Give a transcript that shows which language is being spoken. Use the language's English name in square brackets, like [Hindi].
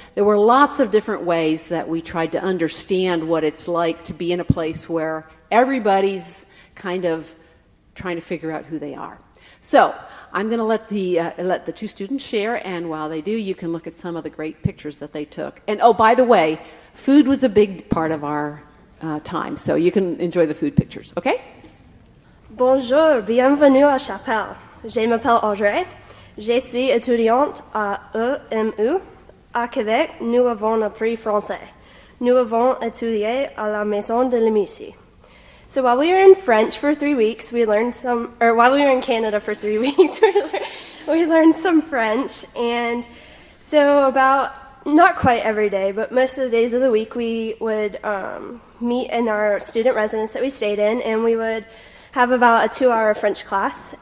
[English] There were lots of different ways that we tried to understand what it's like to be in a place where everybody's kind of trying to figure out who they are. So I'm going to let the two students share, and while they do, you can look at some of the great pictures that they took. And oh, by the way, food was a big part of our time, so you can enjoy the food pictures, okay? [French] Bonjour, bienvenue à Chapelle. Je m'appelle Audrey. Je suis étudiante à EMU. À Québec, nous avons appris français. Nous avons étudié à la Maison de l'Amitié. [English] So while we were in French for 3 weeks, we learned some, or while we were in Canada for 3 weeks, we learned some French. And so about, not quite every day, but most of the days of the week, we would meet in our student residence that we stayed in, and we would have about a two-hour French class.